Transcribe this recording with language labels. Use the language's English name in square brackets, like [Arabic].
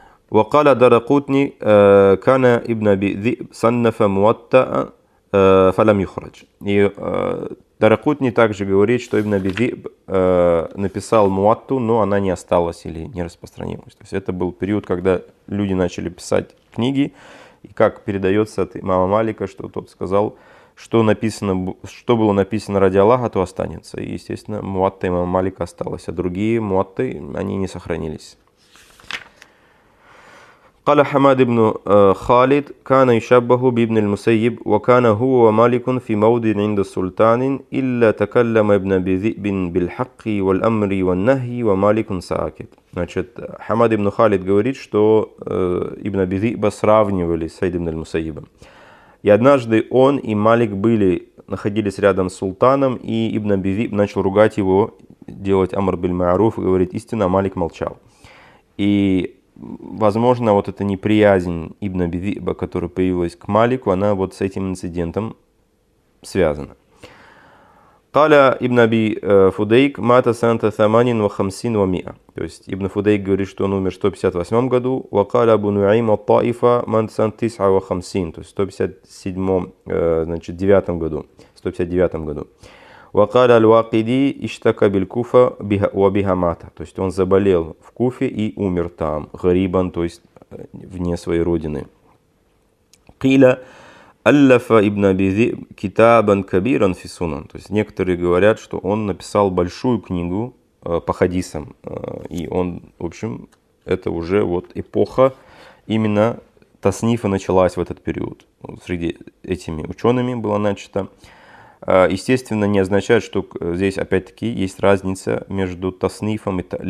[Arabic] وقال دارقطني كان ابن أبي ذئب صنف موطأ فلم يخرج. [Russian] И Дарикутни также говорит, что ибн Аби Зиб написал муатту, но она не осталась или не распространилась. То есть это был период, когда люди начали писать книги, и как передается от имама Малика, что тот сказал, что написано, что было написано ради Аллаха, то останется. И естественно, муатта имама Малика осталась, а другие муатты, они не сохранились. [Arabic] قال حماد بن خالد كان يشبه بابن المسيب وكان هو ومالك في موضع عند السلطان إلا تكلم ابن أبي ذئب بالحق والأمر والنهي ومالك ساكت. [Russian] Значит, حماد بن خالد говорит, что ابن أبي ذئب сравнивали с Саидом аль-Мусайибом. И однажды он и Малик находились рядом с султаном, и ابن أبي ذئب начал ругать его, делать амр бильмаруф, говорит истину, а Малик молчал. И возможно, вот эта неприязнь ибн Аби Зиба, которая появилась к Малику, она вот с этим инцидентом связана. [Arabic] Каля ибн Аби Фудейк мата санта саманин ва хамсин ва миа. [Russian] То есть ибн Фудейк говорит, что он умер в 158 году. [Arabic] Ва каля абу Нуаим ат Таифа ман сан тисъа ва хамсин. [Russian] То есть в 159 году. [Arabic] وقال الواقدي اشتكى بالكوفة بها وبها مات. [Russian] То есть он заболел в Куфе и умер там, غريبًا, то есть вне своей родины. [Arabic] قيل ألف ابن أبي ذئب كتابا كبيرا في السنن. [Russian] То есть некоторые говорят, что он написал большую книгу по хадисам, и он, в общем, это уже вот эпоха именно таснифа началась в этот период. Среди этими учеными было начато. Естественно, не означает, что здесь опять-таки есть разница между таснифом и талифом.